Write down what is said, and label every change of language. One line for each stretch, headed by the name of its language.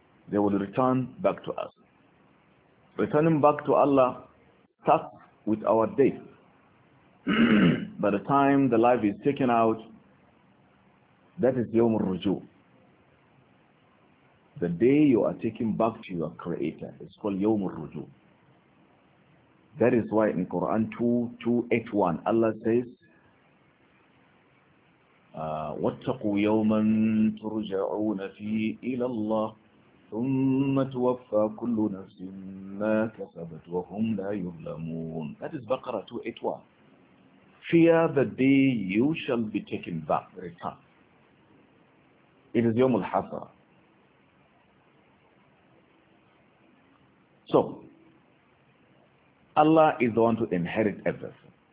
English: They will return back to us. Returning back to Allah starts with our death. By the time the life is taken out, that is Yawm al-Ruju. The day you are taken back to your Creator is called Yawm al-Ruju. That is why in Quran 2:281, Allah says,
Arabic: وَاتَّقُوا يَوْمًا تُرْجَعُونَ فِيهِ إِلَى اللَّهِ ثُمَّ تُوَفَّى كُلُّ نَفْسٍ مَا كَسَبَتْ وَهُمْ لَا يُظْلَمُونَ.
English: That is Baqarah 281. Fear the day you shall be taken back, return. It is Yawm al-Hasra. So, Allah is the one to inherit everything.